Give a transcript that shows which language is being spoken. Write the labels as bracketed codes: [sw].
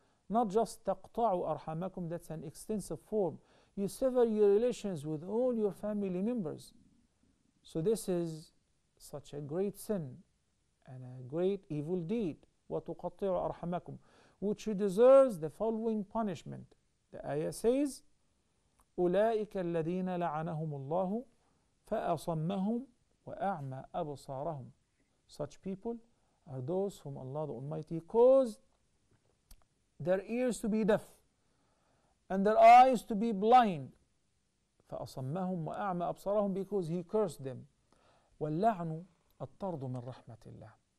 [en] Not just [ar] تَقْطَعُوا أَرْحَامَكُمْ, [en] that's an extensive form. You sever your relations with all your family members. So this is such a great sin and a great evil deed. [ar] وَتُقَطِّعُوا أَرْحَامَكُمْ, [en] which deserves the following punishment. The ayah says, [ar] أُولَٰئِكَ الَّذِينَ لَعَنَهُمُ اللَّهُ فَأَصَمَّهُمْ وَأَعْمَى أَبْصَارَهُمْ. [en] Such people are those whom Allah the Almighty caused their ears to be deaf and their eyes to be blind. [ar] فَأَصَمَّهُمْ وَأَعْمَى أَبْصَارَهُمْ, [en] because he cursed them. [ar] وَاللَّعْنُ الطَّرْدُ مِنْ رَحْمَةِ اللَّهِ.